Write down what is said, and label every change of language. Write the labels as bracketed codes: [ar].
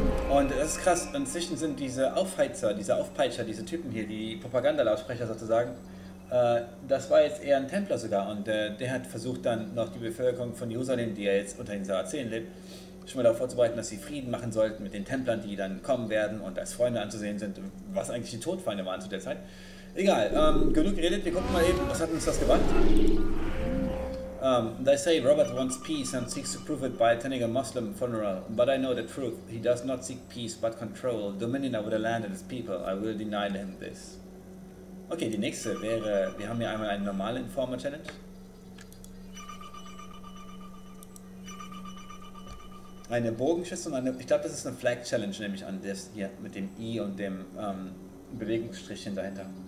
[de] Und das ist krass, inzwischen sind diese Aufheizer, diese Aufpeitscher, diese Typen hier, die Propagandalautsprecher sozusagen, das war jetzt eher ein Templer sogar und der hat versucht dann noch die Bevölkerung von Jerusalem, die ja jetzt unter den Sarazenen lebt, schon mal darauf vorzubereiten, dass sie Frieden machen sollten mit den Templern, die dann kommen werden und als Freunde anzusehen sind, was eigentlich die Todfeinde waren zu der Zeit. Egal, genug geredet, wir gucken mal eben, was hat uns das gebracht? [en] And I say Robert wants peace and seeks to prove it by attending a Muslim funeral, but I know the truth. He does not seek peace but control, dominion over the land and its people. I will deny him this. [de] Okay, die nächste wäre, wir haben hier einmal eine normale Informer-Challenge. Eine Bogenschütze und eine, ich glaube, das ist eine Flag-Challenge, nehme ich an, das hier mit dem I und dem Bewegungsstrichchen dahinter.